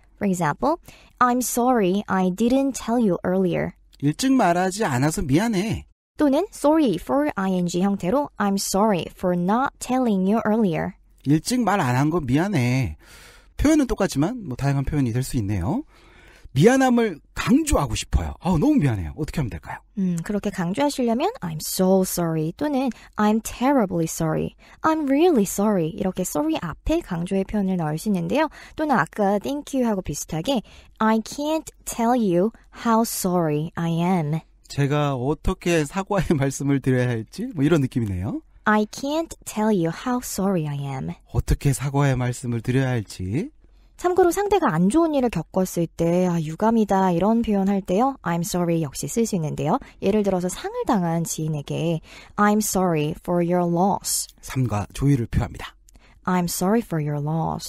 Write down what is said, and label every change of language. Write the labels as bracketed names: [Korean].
[English] For example, I'm sorry I didn't tell you earlier. [Korean] 일찍 말하지 않아서 미안해. [English] 또는 sorry for ing 형태로 I'm sorry for not telling you earlier. [Korean] 일찍 말 안 한 거 미안해. 표현은 똑같지만 뭐 다양한 표현이 될 수 있네요. 미안함을 강조하고 싶어요. 아, 너무 미안해요. 어떻게 하면 될까요? 그렇게 강조하시려면 [English] I'm so sorry [Korean] 또는 [English] I'm terribly sorry, I'm really sorry [Korean] 이렇게 sorry 앞에 강조의 표현을 넣을 수 있는데요. 또는 아까 [English] thank you하고 비슷하게 I can't tell you how sorry I am. [Korean] 제가 어떻게 사과의 말씀을 드려야 할지 뭐 이런 느낌이네요. [English] I can't tell you how sorry I am. [Korean] 어떻게 사과의 말씀을 드려야 할지 참고로 상대가 안 좋은 일을 겪었을 때 아, 유감이다 이런 표현 할 때요. I'm sorry 역시 쓸 수 있는데요. 예를 들어서 상을 당한 지인에게 [English] I'm sorry for your loss. [Korean] 삼가 조의를 표합니다. [English] I'm sorry for your loss.